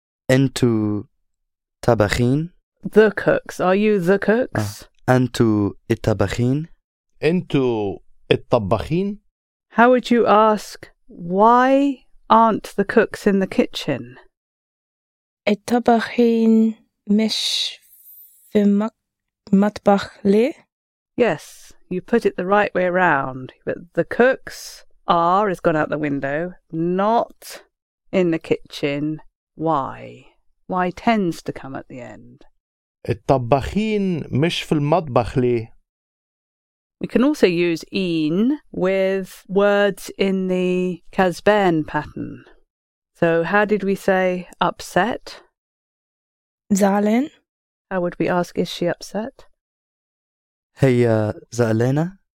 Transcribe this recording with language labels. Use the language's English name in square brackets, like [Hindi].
[Arabic] أنتو طباخين. [English] The cooks. Are you the cooks? [Arabic] أنتو الطباخين. أنتو الطباخين. [English] How would you ask, why aren't the cooks in the kitchen? [Arabic] الطباخين مش في المطبخ ليه؟ [English] Yes, you put it the right way around. But the cooks are, has gone out the window, not in the kitchen. Why? Why tends to come at the end. [Arabic] الطباخين مش في المطبخ ليه؟ [English] We can also use een with words in the كسبان pattern. So how did we say upset? [Arabic] زعلان. [English] How would we ask, is she upset? [Arabic] هي زعلانة.